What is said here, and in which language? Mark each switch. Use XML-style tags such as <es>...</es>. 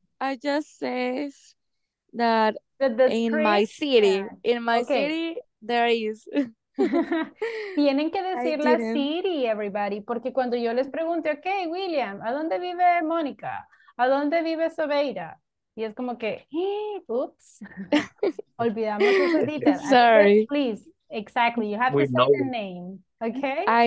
<en>I just says that in my city, there is.</en> <es>Tienen que decir la city,</es> <en>everybody,</en> <es>porque cuando yo les pregunté, okay, William, ¿a dónde vive Mónica? ¿A dónde vive Sobeira? Y es como que, oops, olvidamos ese detalle.</es> <en>Sorry. Please, exactly, you have to say the name, okay?</en>